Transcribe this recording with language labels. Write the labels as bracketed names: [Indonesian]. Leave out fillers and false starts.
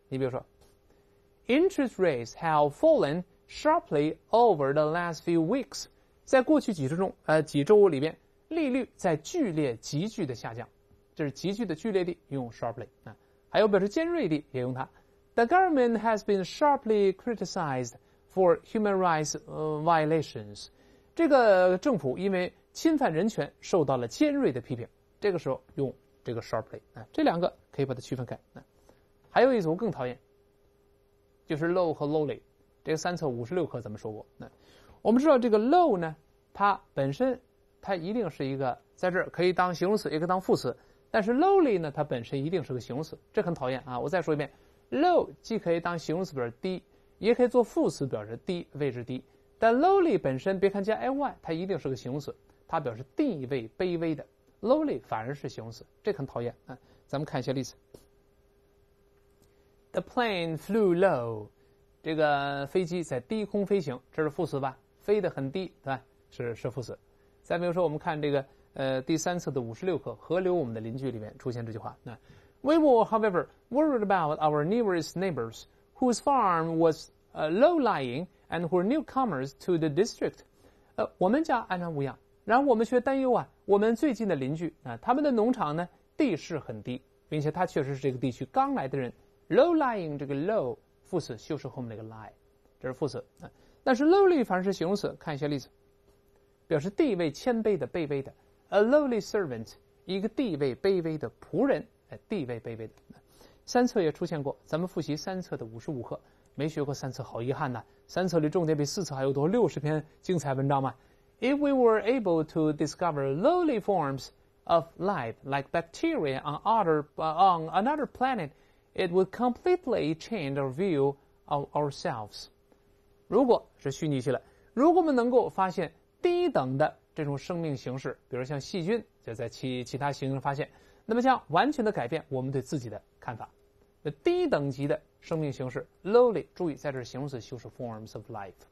[Chinese] 你比如说 [English] ，interest rates have fallen。 Sharply over the last few weeks， [Chinese] 在过去几周里边，利率在剧烈、急剧的下降，这是急剧的、剧烈的，用 sharply 啊。还有表示尖锐的，也用它。 [English] The government has been sharply criticized for human rights violations。 [Chinese] 这个政府因为侵犯人权受到了尖锐的批评，这个时候用这个 sharply 啊。这两个可以把它区分开。还有一组更讨厌，就是 low 和 lowly。这个三册五十六课怎么说过？那我们知道这个 low 呢，它本身它一定是一个在这儿可以当形容词，也可以当副词。但是 lowly 呢，它本身一定是个形容词，这很讨厌啊！我再说一遍 ，low 既可以当形容词表示低，也可以做副词表示低，位置低。但 lowly 本身别看加 ly， 它一定是个形容词，它表示地位卑微的。 lowly 反而是形容词，这很讨厌啊！咱们看一下例子 ： [English] The plane flew low。 [Chinese] 这个飞机在低空飞行，这是副词吧？飞得很低，对吧？是副词。再比如说，我们看这个第三册的五十六课《河流我们的邻居》里面出现这句话。 [English] 那 We were, however, worried about our nearest neighbors, whose farm was low-lying and who were newcomers to the district. [Chinese] 我们家安然无恙，然后我们却担忧啊，我们最近的邻居啊，他们的农场呢地势很低，并且他确实是这个地区刚来的人。 [English] Low-lying [Chinese] 这个 [English] low。 [Chinese] 副词修饰后面那个 lie， 这是副词。但是 lowly 反而是形容词。看一下例子，表示地位谦卑的、卑微的。 [English] A lowly servant， [Chinese] 一个地位卑微的仆人，地位卑微的。三册也出现过，咱们复习三册的五十五课，没学过三册，好遗憾呐！三册里重点比四册还要多，六十篇精彩文章嘛。 [English] If we were able to discover lowly forms of life like bacteria on another planet。 It would completely change our view of ourselves. [Chinese] 如果是虚拟去了，如果我们能够发现低等的这种生命形式，比如像细菌，就在其他行星发现，那么将完全的改变我们对自己的看法。那低等级的生命形式 lowly， 注意在这形容词修饰 forms of life。